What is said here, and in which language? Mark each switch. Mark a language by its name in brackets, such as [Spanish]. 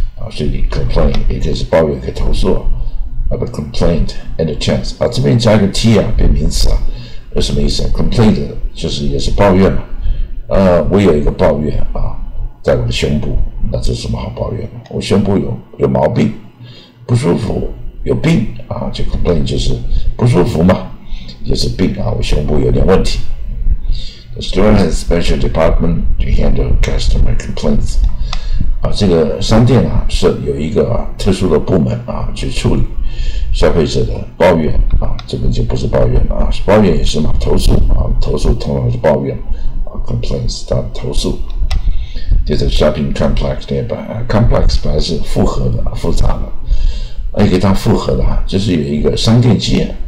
[Chinese] 所以 complain 也可以是抱怨可以投诉 [English] but complaint and a chance [Chinese] 这边加一个 T 变名词有什么意思 complaint 就是也是抱怨我有一个抱怨在我的胸部，那这是什么好抱怨的？我胸部有毛病，不舒服，有病啊，就可能就是不舒服嘛，就是病啊，我胸部有点问题。 [English] The store has a special department to handle customer complaints. [Chinese] 啊，这个商店啊是有一个、啊、特殊的部门啊去处理消费者的抱怨啊，这个就不是抱怨了啊，抱怨也是嘛，投诉啊，投诉通常是抱怨啊 ，complaints 它投诉。 [English] There's a shopping complex nearby. [Chinese] Complex 本来是复合的、复杂的，哎，给它复合的啊，就是有一个商店街。